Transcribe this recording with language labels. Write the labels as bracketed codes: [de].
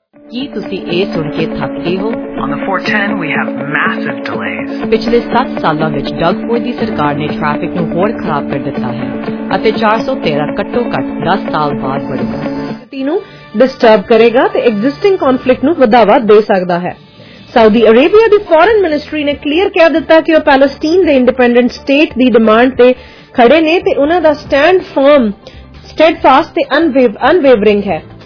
[pa] ਕੀ ਤੁਸੀਂ ਇਹ ਸੁਣ ਕੇ ਥੱਕਦੇ ਹੋ? [en] On the 410, we have massive delays. [pa] ਪਿਛਲੇ 7 ਸਾਲਾਂ ਵਿੱਚ ਡਗਪੁਰ ਦੀ ਸਰਕਾਰ ਨੇ ਟ੍ਰੈਫਿਕ ਨੂੰ ਹੋਰ ਖਰਾਬ ਕਰ ਦਿੱਤਾ ਹੈ ਅਤੇ 413 ਘੱਟੋ ਘੱਟ 10 ਸਾਲ ਬਾਅਦ ਵਧੇਗਾ। ਸਥਿਤੀ ਨੂੰ ਡਿਸਟਰਬ ਕਰੇਗਾ ਤੇ ਐਗਜ਼ਿਸਟਿੰਗ ਕਨਫਲਿਕਟ ਨੂੰ ਵਧਾਵਾ ਦੇ ਸਕਦਾ ਹੈ। ਸਾਊਦੀ ਅਰੇਬੀਆ ਦੀ ਫੋਰਨ ਮਿਨਿਸਟਰੀ ਨੇ ਕਲੀਅਰ ਕਹਿ ਦਿੱਤਾ ਕਿ ਉਹ ਪੈਲਸਟੀਨ ਦੇ ਇੰਡੀਪੈਂਡੈਂਟ ਸਟੇਟ ਦੀ ਡਿਮਾਂਡ ਤੇ ਖੜੇ ਨੇ ਤੇ ਉਨ੍ਹਾਂ ਦਾ ਸਟੈਂਡ ਫਰਮ ਸਟੈਡਫਾਸਟ ਤੇ ਅਨਵੇਵਰਿੰਗ ਹੈ।